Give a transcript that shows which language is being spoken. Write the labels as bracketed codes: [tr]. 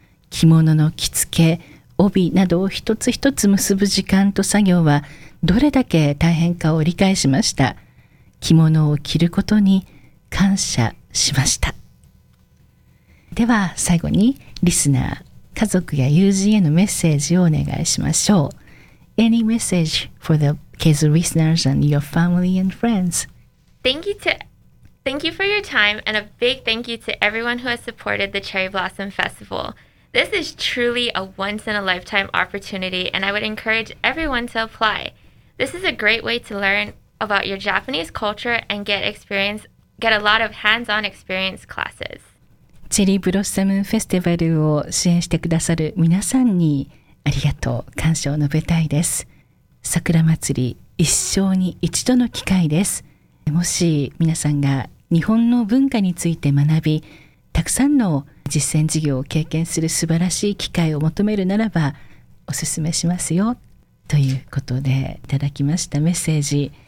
[ja] 着物の着付け、帯などを一つ一つ結ぶ時間と作業は、どれだけ大変かを理解しました。着物を着ることに感謝しました。では最後に、リスナー、家族や友人へのメッセージをお願いしましょう。 [en] Any message for the Kezu listeners and your family and friends? Thank you for your time, and a big thank you to everyone who has supported the Cherry Blossom Festival. This is truly a once-in-a-lifetime opportunity, and I would encourage everyone to apply. This is a great way to learn about your Japanese culture and get a lot of hands-on experience classes. [ja] Cherry Blossom Festival を支援してくださる皆さんにありがとう、感謝を述べたいです。桜祭り、一生に一度の機会です。もし皆さんが日本の文化について学び、たくさんの実践事業を経験する素晴らしい機会を求めるならば、おすすめしますよ、ということでいただきましたメッセージ。